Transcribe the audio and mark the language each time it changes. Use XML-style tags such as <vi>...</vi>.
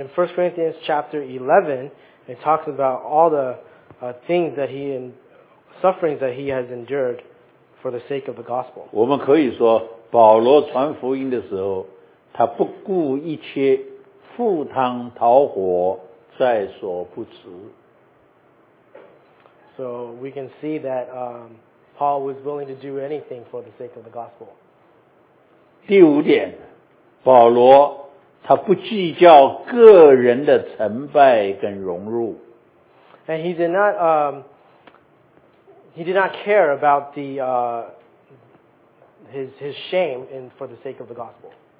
<en>in 1 Corinthians chapter 11, it talks about all the things that sufferings that he has endured for the sake of the gospel.</en> <zh>我们可以说保罗传福音的时候，他不顾一切，赴汤蹈火，在所不辞。So</zh> <en>we can see that Paul was willing to do anything for the sake of the gospel.</en> <zh>第五点, 保罗, 他不计较个人的成败跟荣辱。</zh> <en>And he did not care about the his shame in for the sake of the gospel.</en>